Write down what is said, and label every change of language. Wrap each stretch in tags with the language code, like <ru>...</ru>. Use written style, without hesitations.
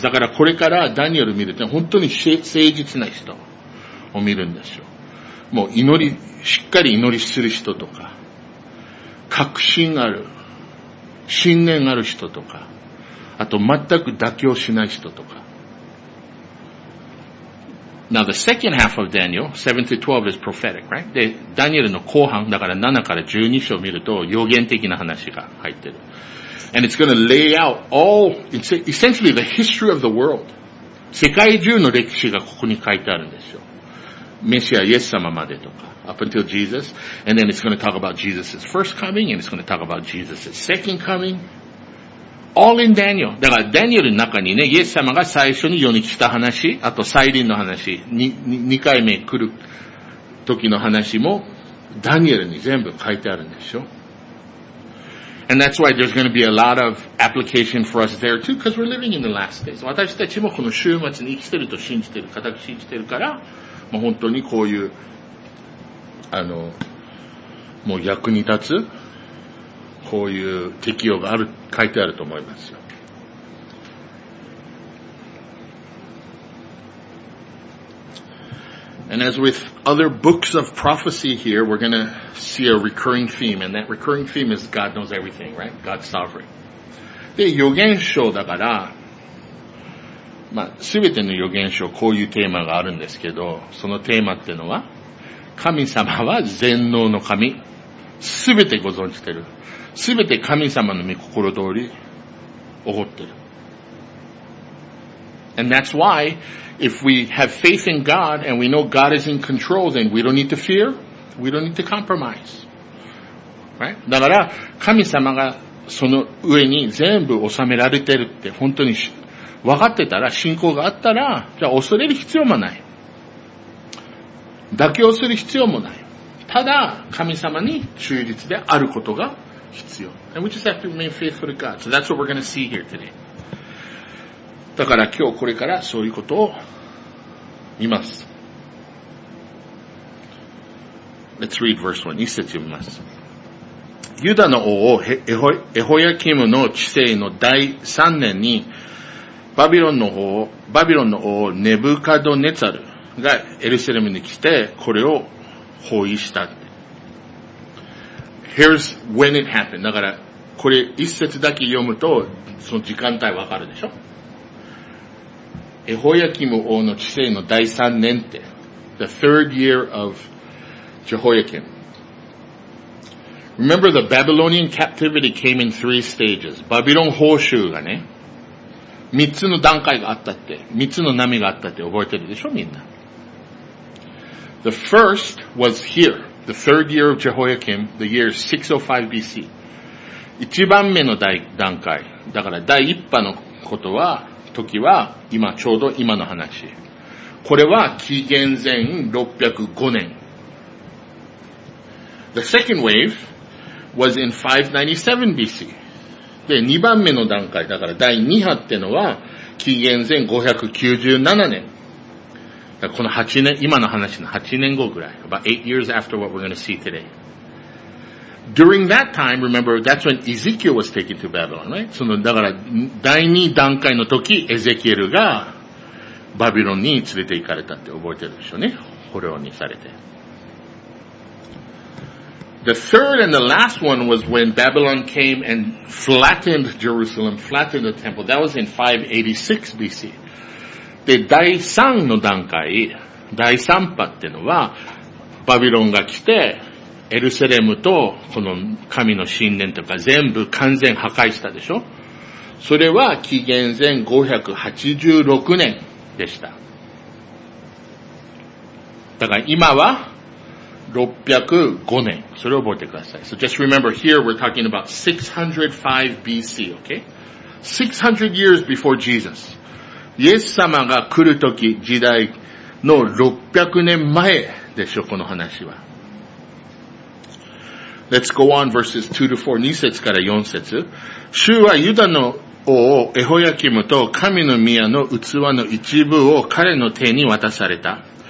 <ja>だからこれからダニエル見るって本当に誠実な人を見るんですよ。もう祈り、しっかり祈りする人とか、確信ある、信念ある人とか、あと全く妥協しない人とか。</ja> <en>Now the second half of Daniel, 7 to 12 is prophetic, right?</en> <ja>で、ダニエルの後半、だから7から12章を見ると予言的な話が入ってる。</ja> <en>And it's going to lay out all, essentially the history of the world.</en> <ja>世界中の歴史がここに書いてあるんですよ。メシア、イエス様までとか、</ja> <en>up until Jesus. And then it's going to talk about Jesus' first coming, and it's going to talk about Jesus' second coming. All in Daniel.</en> <ja>だからダニエルの中にね、イエス様が最初に世に来た話、あと再臨の話、2回目来る時の話も、ダニエルに全部書いてあるんですよ。</ja> <en>And that's why there's going to be a lot of application for us there too, because we're living in the last days.</en> <ja>私たちもこの週末に生きてると信じてる、固く信じてるから、もう本当にこういう、もう役に立つ、こういう適用がある、書いてあると思いますよ。</ja> <en>And as with other books of prophecy here, we're going to see a recurring theme. And that recurring theme is God knows everything, right? God's sovereign.</en> <ja>で、予言書だから、まあ、すべての予言書こういうテーマがあるんですけど、そのテーマっていうのは、神様は全能の神。すべてご存知ている。すべて神様の御心通り起こっている。</ja> <en>And that's why if we have faith in God and we know God is in control, then we don't need to fear. We don't need to compromise. Right?</en> <ja>だから神様がその上に全部収められてるって本当に分かってたら、信仰があったら、じゃあ恐れる必要もない。妥協する必要もない。ただ神様に忠実であることが必要。</ja> <en>And we just have to remain faithful to God. So that's what we're going to see here today.</en> <ja>だから今日これからそういうことを見ます。</ja> <en>Let's read verse 1.</en> <ja>一節読みます。ユダの王エホヤキムの治世の第3年にバビロンの王ネブカドネツァルがエルサレムに来てこれを包囲した。</ja> <en>Here's when it happened.</en> <ja>だからこれ一節だけ読むとその時間帯わかるでしょ。エホヤキム王の治世の第三年って</ja> <en>The third year of Jehoiakim. Remember the Babylonian captivity came in three stages.</en> <ja>バビロン報酬がね、三つの段階があったって、三つの波があったって覚えてるでしょみんな。</ja> <en>The first was here, the third year of Jehoiakim, the year 605 BC.</en> <ja>一番目の段階、だから第一波のことは、時は今、ちょうど今の話。これは紀元前605年。</ja> <en>The second wave was in 597 BC.</en> <ja>で、2番目の段階、だから第2波ってのは紀元前597年。この8年、今の話の8年後ぐらい。</ja> <en>About 8 years after what we're going to see today. During that time, remember, that's when Ezekiel was taken to Babylon, right?</en> <ja>その、だから、第2段階の時、エゼキエルがバビロンに連れて行かれたって覚えてるでしょうね。捕虜にされて。</ja> <en>The third and the last one was when Babylon came and flattened Jerusalem, flattened the temple. That was in 586 BC.</en> <ja>で、第3の段階、第3波ってのは、バビロンが来て、エルセレムとこの神の神殿とか全部完全破壊したでしょ？それは紀元前586年でした。だから今は、605年。それを覚えてください。</ja> <en>So just remember, here we're talking about 605 BC, okay? 600 years before Jesus.</en> <ja>イエス様が来るとき時代の600年前でしょ、この話は。</ja> <en>Let's go on verses 2 to 4,</en> <ja>2節から4節。主はユダの王エホヤキムと神の宮の器の一部を彼の手に渡された。</ja>